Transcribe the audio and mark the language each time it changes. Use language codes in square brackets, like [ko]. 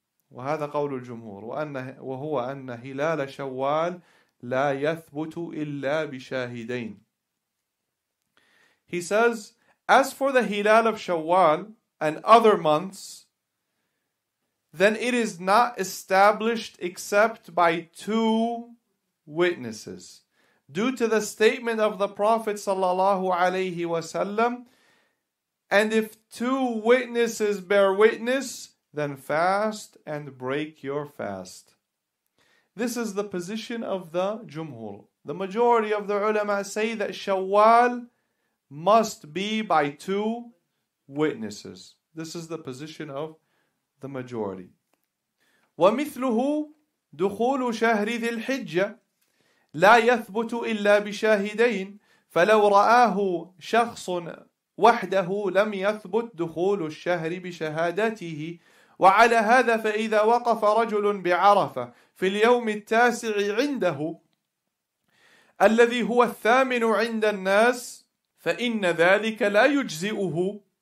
[ar] وهذا قول الجمهور وهو أن هلال شوال لا يثبت إلا بشاهدين. [en] He says, as for the hilal of Shawwal and other months, then it is not established except by two witnesses. Due to the statement of the Prophet sallallahu alayhi wasallam, and if two witnesses bear witness, then fast and break your fast. This is the position of the Jumhur. The majority of the ulama say that Shawwal must be by two witnesses. This is the position of the majority. [ar] ومثله دخول شهر ذي الحجة لا يثبت إلا بشاهدين فلو رآه شخص وحده لم يثبت دخول الشهر بشهادته. وعلى هذا فإذا وقف رجل بعرفة في اليوم التاسع عنده الذي هو الثامن عند الناس فإن ذلك لا يجزئه.